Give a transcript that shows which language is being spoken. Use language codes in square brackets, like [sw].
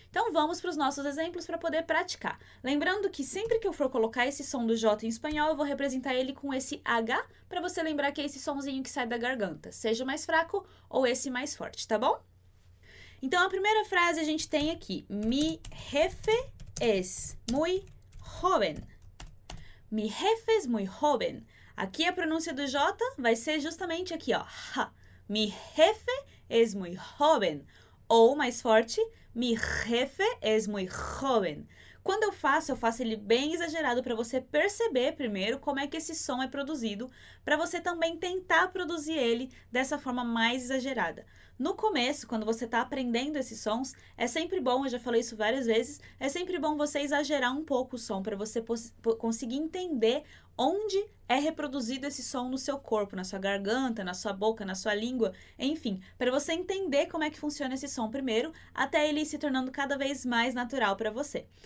[pt] Então vamos para os nossos exemplos para poder praticar. Lembrando que sempre que eu for colocar esse som do J em espanhol, eu vou representar ele com esse H, para você lembrar que é esse somzinho que sai da garganta, seja o mais fraco ou esse mais forte, tá bom? Então a primeira frase a gente tem aqui, [es] mi jefe es muy joven. Mi jefe es muy joven. [pt] Aqui a pronúncia do J vai ser justamente aqui, ó. [es] Ha. Mi jefe es muy joven. [pt] Ou, mais forte, [es] mi jefe es muy joven. [pt] Quando eu faço ele bem exagerado para você perceber primeiro como é que esse som é produzido, para você também tentar produzir ele dessa forma mais exagerada. No começo, quando você está aprendendo esses sons, é sempre bom, eu já falei isso várias vezes, é sempre bom você exagerar um pouco o som para você conseguir entender onde é reproduzido esse som no seu corpo, na sua garganta, na sua boca, na sua língua, enfim, para você entender como é que funciona esse som primeiro, até ele ir se tornando cada vez mais natural para você.